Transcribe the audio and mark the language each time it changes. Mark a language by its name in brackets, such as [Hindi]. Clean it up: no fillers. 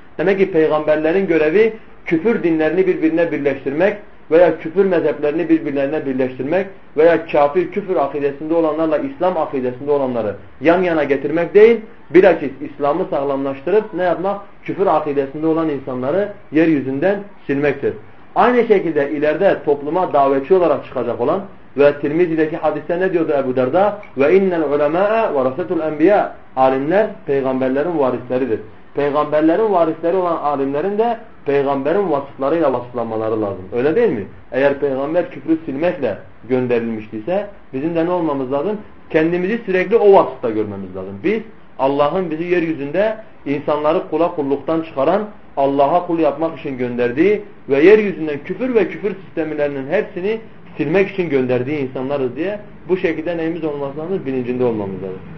[Turkish] Demek ki peygamberlerin görevi küfür dinlerini birbirine birleştirmek veya küfür mezheplerini birbirlerine birleştirmek veya kafir küfür akidesinde olanlarla İslam akidesinde olanları yan yana getirmek değil, bilakis İslam'ı sağlamlaştırıp ne yapmak? Küfür akidesinde olan insanları yeryüzünden silmektir. Aynı şekilde ileride topluma davetçi olarak çıkacak olan ve Tirmizi'deki hadiste ne diyordu Ebu Derda? [Arabic] وَاِنَّ الْعُلَمَاءَ وَرَسَتُ الْاَنْبِيَاءَ [Turkish] Alimler peygamberlerin varisleridir. Peygamberlerin varisleri olan alimlerin de peygamberin vasıflarıyla vasıflanmaları lazım. Öyle değil mi? Eğer peygamber küfrü silmekle gönderilmiştiyse bizim de ne olmamız lazım? Kendimizi sürekli o vasıfta görmemiz lazım. Biz Allah'ın bizi yeryüzünde insanları kula kulluktan çıkaran Allah'a kul yapmak için gönderdiği ve yeryüzünden küfür ve küfür sistemlerinin hepsini silmek için gönderdiği insanlarız diye bu şekilde neyimiz olması lazım? Bilincinde olmamız lazım.